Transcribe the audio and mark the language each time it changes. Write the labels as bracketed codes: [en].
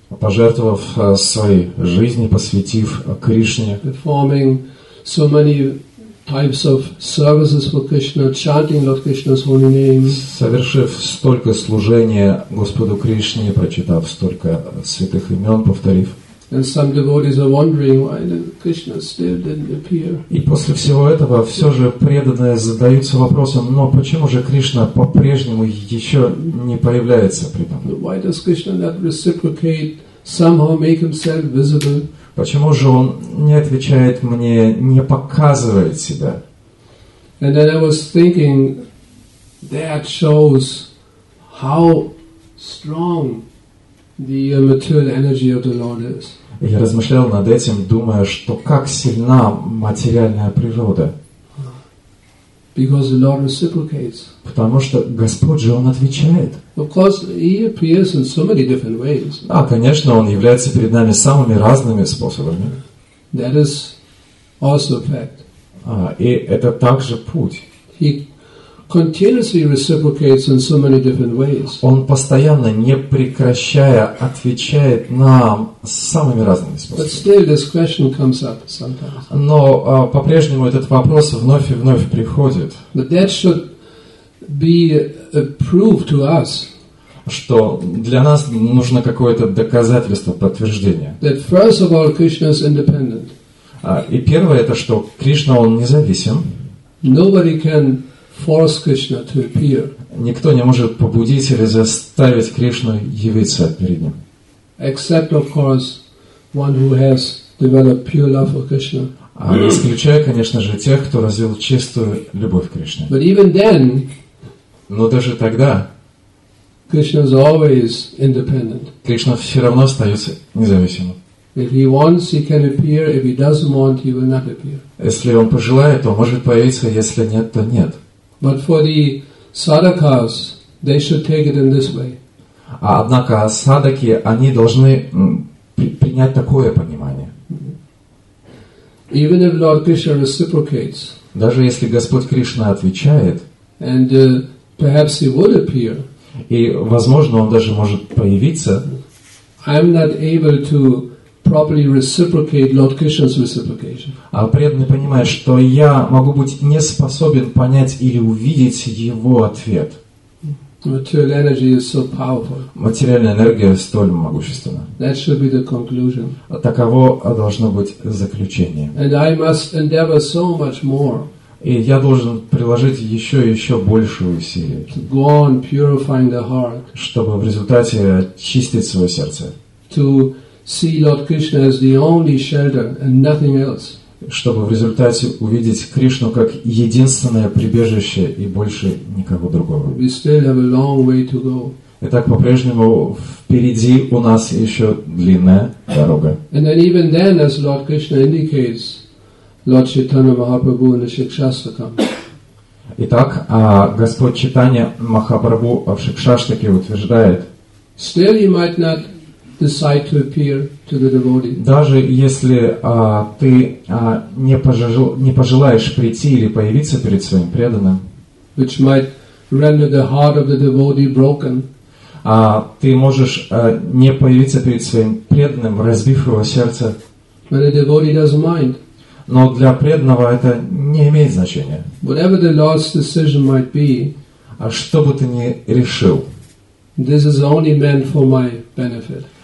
[ru] Пожертвовав своей жизнью, посвятив Кришне. [en] Performing so many types of services for Krishna, chanting Lord Krishna's holy name. [ru] Совершив столько служения Господу Кришне, прочитав столько святых имен, повторив. [en] And some devotees are wondering why Krishna still didn't appear. [ru] И после всего этого все же преданные задаются вопросом, но почему же Кришна по-прежнему еще не появляется при этом? [en] Why does Krishna not reciprocate, somehow make himself visible? [ru] Почему же он не отвечает мне, не показывает себя? [en] And then I was thinking, that shows how strong the material energy of the Lord is. [ru] Я размышлял над этим, думая, что как сильна материальная природа. [en] Because the Lord reciprocates. [ru] Потому что Господь же, Он отвечает. [en] Of course, He appears in so many different ways. [ru] А, конечно, Он является перед нами самыми разными способами. [en] That is also a fact. [ru] А, и это также путь. [en] He continuously reciprocates in so many different ways. [ru] Он постоянно, не прекращая, отвечает нам самыми разными способами. [en] But still this question comes up sometimes. [ru] Но по-прежнему этот вопрос вновь и вновь приходит. [en] But that should be a proof to us. [ru] Что для нас нужно какое-то доказательство, подтверждение. [en] That first of all, Krishna is independent. [ru] И первое это, что Кришна, Он независим. [en] Nobody can force Krishna to appear. [ru] Никто не может побудить или заставить Кришну явиться перед ним. [en] Except, of course, one who has developed pure love for Krishna. [ru] Исключая, конечно же, тех, кто развил чистую любовь к Кришне. [en] But even then, [ru] но даже тогда, [en] Krishna is always independent. [ru] Кришна все равно остается независимым. [en] If he wants, he can appear. If he doesn't want, he will not appear. [ru] Если он пожелает, то может появиться. Если нет, то нет. [en] But for the sadhakas, they should take it in this way. [ru] Однако садаки, они должны принять такое понимание. [en] Even if Lord Krishna reciprocates, [ru] даже если Господь Кришна отвечает, [en] and perhaps he would appear, [ru] и возможно он даже может появиться, [en] I am not able to properly reciprocate Lord Krishna's reciprocation. [ru] А преданный понимает, что я могу быть не способен понять или увидеть его ответ. [en] Material energy is so powerful. [ru] Материальная энергия столь могущественна. [en] That should be the conclusion. [ru] Таково должно быть заключение. [en] And I must endeavor so much more. [ru] И я должен приложить еще и еще больше усилий. [en] To go on purifying the heart. [ru] Чтобы в результате очистить свое сердце. [en] To see Lord Krishna as the only shelter and nothing else. [ru] Чтобы в результате увидеть Кришну как единственное прибежище и больше никого другого. [en] We still have a long way to go. [ru] Итак, по-прежнему впереди у нас еще длинная дорога. [en] And then even then, as Lord Krishna indicates, Lord Chaitanya Mahaprabhu in the Shikshastakam. [ru] Итак, Господь Читания Махапрабху в Шикшаштаке утверждает. [en] Still you might not decide to appear to the devotee. [ru] Даже если ты не пожелаешь прийти или появиться перед своим преданным, [en] which might render the heart of the devotee broken. [ru] Ты можешь не появиться перед своим преданным, разбив его сердце. [en] But the devotee doesn't mind. [ru] Но для преданного это не имеет значения. [en] Whatever the Lord's decision might be, [ru] что бы ты ни решил, [en] this is only meant for my benefit.